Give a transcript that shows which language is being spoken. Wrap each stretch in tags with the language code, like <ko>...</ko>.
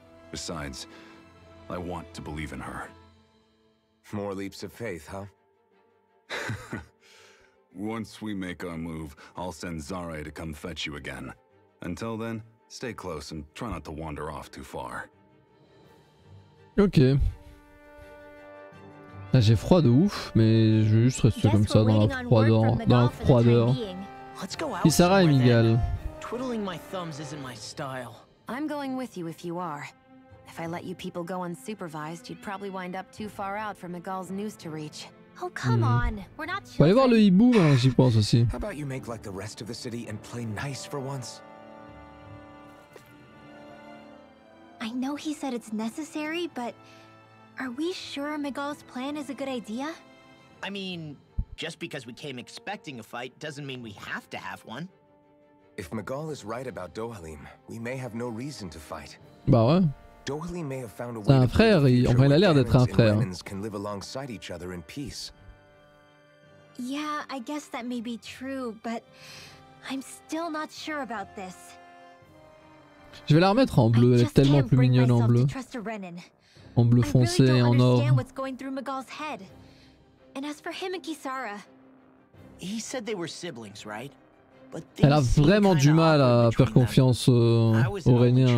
<en>Besides, I want to believe in her. More leaps of faith, huh? Once we make our move, I'll send Zare to come fetch you again. Until then, stay close and try not to wander off too far. Okay.</en> <fr>Ah, j'ai froid de ouf, mais je vais juste rester comme ça dans la froideur. Kisara et Miguel.</fr> <en>Twiddling my thumbs isn't my style. I'm going with you if you are. If I let you people go unsupervised, you'd probably wind up too far out for Miguel's news to reach. Oh, come on. We're not sure.</en> <fr>Aller voir le hibou, hein, j'y pense aussi.</fr> <en>How about you make like the rest of the city and play nice for once? I know he said it's necessary, but. Are we sure Miguel's plan is a good idea? I mean, just because we came expecting a fight doesn't mean we have to have one. If Miguel is right about Dohalim, we may have no reason to fight.</en> <fr>Bah ouais.</fr> <en>Dohalim may have found a</en> <fr>way. C'est un frère, il a l'air d'être un frère.</fr> <en>Humans can live alongside each other in peace. Yeah, I guess that may be true, but I'm still not sure about this.</en> <fr>Je vais la remettre en bleu, elle est tellement plus mignonne en bleu. En bleu foncé et en or.</fr> <en>What's going through Miguel's head. And as for him and Kisara, he said they were siblings, right?</en> <fr>But elle a vraiment du mal à faire confiance aux Rainiens.</fr>